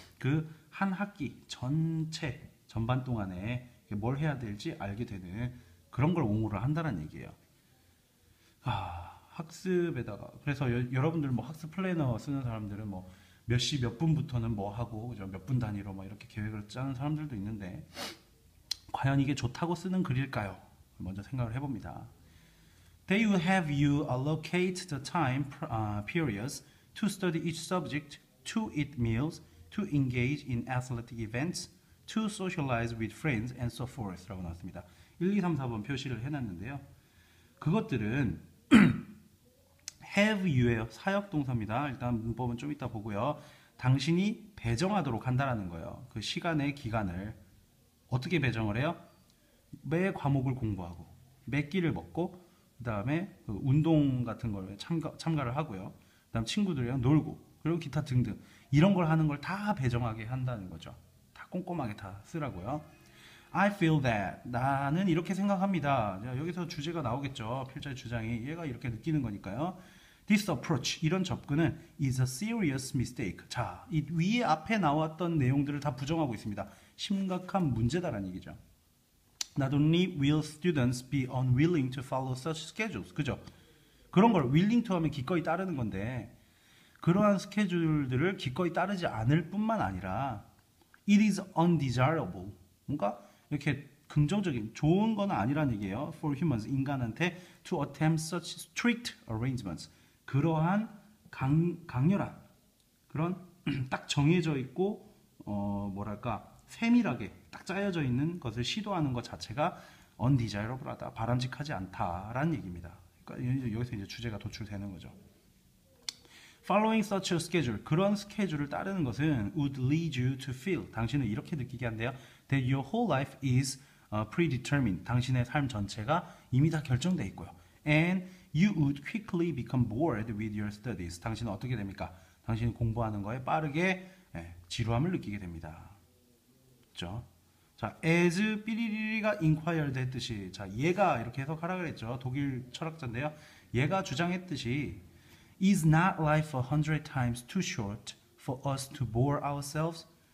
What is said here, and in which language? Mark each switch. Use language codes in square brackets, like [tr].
[ko] 그한 학기 전체, 전반 동안에 뭘 해야 될지 알게 되는 그런 걸 옹호를 한다는 얘기예요. 아, 학습에다가. 그래서 여러분들 뭐 학습 플래너 쓰는 사람들은 뭐몇시몇 분부터는 뭐 하고 몇분 단위로 막 이렇게 계획을 짜는 사람들도 있는데 과연 이게 좋다고 쓰는 글일까요? 먼저 생각을 해봅니다. [en] They will have you allocate the time periods to study each subject, to eat meals, to engage in athletic events, to socialize with friends and so forth [ko] 라고 나왔습니다. 1, 2, 3, 4번 표시를 해놨는데요. 그것들은 have you예요. 사역 동사입니다. 일단 문법은 좀 이따 보고요. 당신이 배정하도록 한다라는 거예요. 그 시간의 기간을 어떻게 배정을 해요? 매 과목을 공부하고, 매 끼를 먹고, 그다음에 그 운동 같은 걸 참가를 하고요. 그다음 친구들이랑 놀고, 그리고 기타 등등. 이런 걸 하는 걸다 배정하게 한다는 거죠. 다 꼼꼼하게 다 쓰라고요. [en] I feel that. [ko] 나는 이렇게 생각합니다. 여기서 주제가 나오겠죠. 필자의 주장이. 얘가 이렇게 느끼는 거니까요. [en] This approach, [ko] 이런 접근은 [en] is a serious mistake. [ko] 자, 이 위에 앞에 나왔던 내용들을 다 부정하고 있습니다. 심각한 문제다라는 얘기죠. [en] Not only will students be unwilling to follow such schedules. [ko] 그죠? 그런 걸 willing to 하면 기꺼이 따르는 건데, 그러한 스케줄들을 기꺼이 따르지 않을 뿐만 아니라, [en] it is undesirable. [ko] 뭔가 이렇게 긍정적인, 좋은 건 아니란 얘기예요. [en] For humans, [ko] 인간한테 [en] to attempt such strict arrangements. [ko] 그러한 강렬한 그런 딱 정해져 있고 뭐랄까 세밀하게 딱 짜여져 있는 것을 시도하는 것 자체가 undesirable하다, 바람직하지 않다라는 얘기입니다. 그러니까 여기서 이제 주제가 도출되는 거죠. [en] Following such a schedule, [ko] 그런 스케줄을 따르는 것은 [en] would lead you to feel [ko] 당신은 이렇게 느끼게 한대요. [en] That your whole life is predetermined. [ko] 당신의 삶 전체가 이미 다 결정돼 있고요. [en] And You would quickly become bored with your studies. [ko] 당신은 어떻게 됩니까? 당신이 공부하는 거에 빠르게 지루함을 느끼게 됩니다. 그렇죠? 자, as 삐리리리가 inquired 했듯이, 자, 얘가 이렇게 해석하라 그랬죠. 독일 철학자인데요. 얘가 주장했듯이, [en] is not life 100 times too short for us to bore ourselves?